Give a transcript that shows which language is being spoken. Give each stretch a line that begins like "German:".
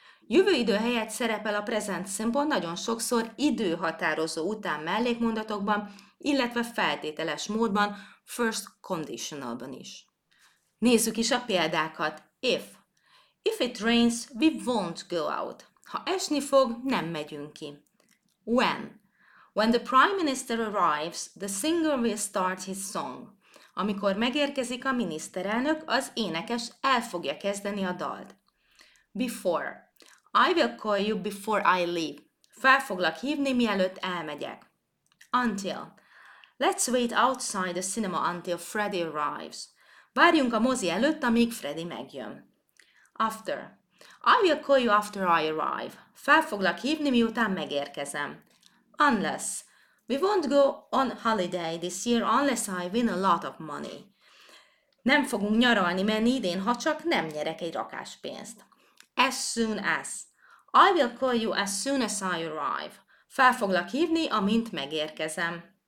Hungarian: Jövő idő helyett szerepel a present simple nagyon sokszor időhatározó után mellékmondatokban, illetve feltételes módban, first conditionalban is. Nézzük is a példákat.
English: If. If it rains, we won't go out.
Hungarian: Ha esni fog, nem megyünk ki.
English: When. When the prime minister arrives, the singer will start his song.
Hungarian: Amikor megérkezik a miniszterelnök, az énekes el fogja kezdeni a dalt. Before.
English: I will call you before I leave.
Hungarian: Fel foglak hívni, mielőtt elmegyek.
English: Until. Let's wait outside the cinema until Freddy arrives.
Hungarian: Várjunk a mozi előtt, amíg Freddy megjön. After.
English: I will call you after I arrive.
Hungarian: Fel foglak hívni, miután megérkezem.
English: Unless. We won't go on holiday this year unless I win a lot of money.
Hungarian: Nem fogunk nyaralni menni idén, ha csak nem nyerek egy rakás pénzt.
English: As soon as. I will call you as soon as I arrive.
Hungarian: Fel foglak hívni, amint megérkezem.